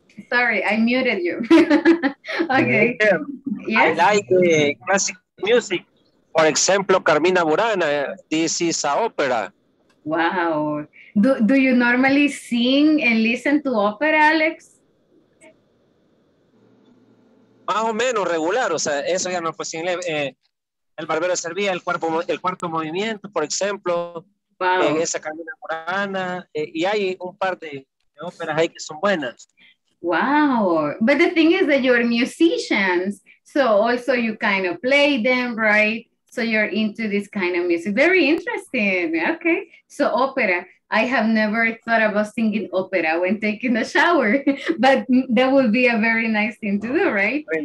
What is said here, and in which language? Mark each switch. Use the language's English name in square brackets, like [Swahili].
[English] Sorry, I muted you. Okay. Yes? I like classic music. For example, Carmina Burana. This is an opera. Wow. Do you normally sing and listen to opera, Alex? [Spanish] Más o menos regular, o sea, eso ya no fue sin el barbero de Sevilla, el cuarto movimiento, por ejemplo, [English] wow. [Spanish] Esa Carmina Burana, y hay un par de óperas ahí que son buenas. [English] Wow, but the thing is that you're musicians, so also you kind of play them, right? So you're into this kind of music. Very interesting, okay. So opera, I have never thought about singing opera when taking a shower, but that would be a very nice thing to do, right?